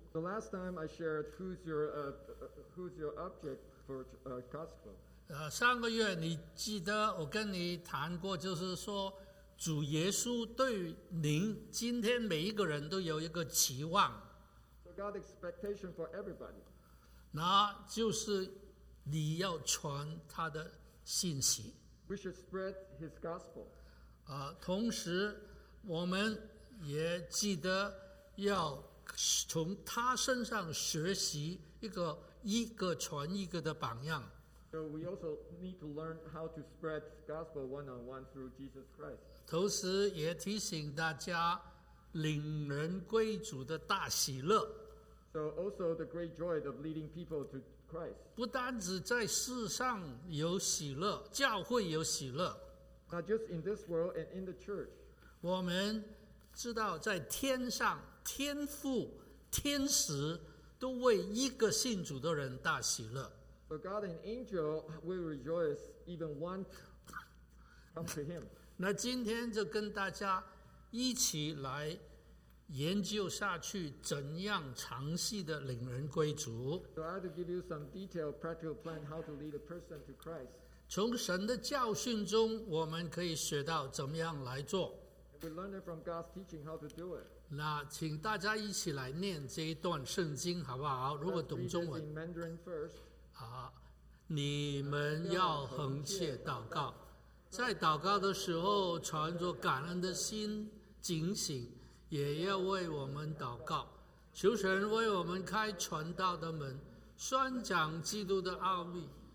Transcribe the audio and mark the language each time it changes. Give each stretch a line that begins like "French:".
English: The last time I shared who's your object for gospel.
Chinese: 上个月你记得我跟你谈过，就是说主耶稣对您今天每一个人都有一个期望。
English: So God's expectation for everybody.
Chinese: 那就是你要传他的信息。
English: We should spread his gospel.
Chinese: 同时我们也记得要从他身上学习一个传一个的榜样。
English: So we also need to learn how to spread gospel one-on-one through Jesus Christ.
Chinese: 同时也提醒大家领人归主的大喜乐。
English: So also the great joy of leading people to Christ.
Chinese: 不单只在世上有喜乐，教会有喜乐。
English: Not just in this world and in the church.
Chinese: 我们知道在天上，天父、天使都为一个信主的人大喜乐。
English: So God and angel will rejoice even one come to him.
Chinese: 那今天就跟大家一起来研究下去，怎样详细的领人归主。
English: So I have to give you some detailed practical plan how to lead a person to Christ.
Chinese: 从神的教训中，我们可以学到怎么样来做。
English: We learn it from God's teaching how to do it.
Chinese: 那请大家一起来念这一段圣经好不好？如果懂中文。
English: In Mandarin first.
Chinese: 你们要恒切祷告，在祷告的时候传着感恩的心警醒，也要为我们祷告，求神为我们开传道的门，宣讲基督的奥秘。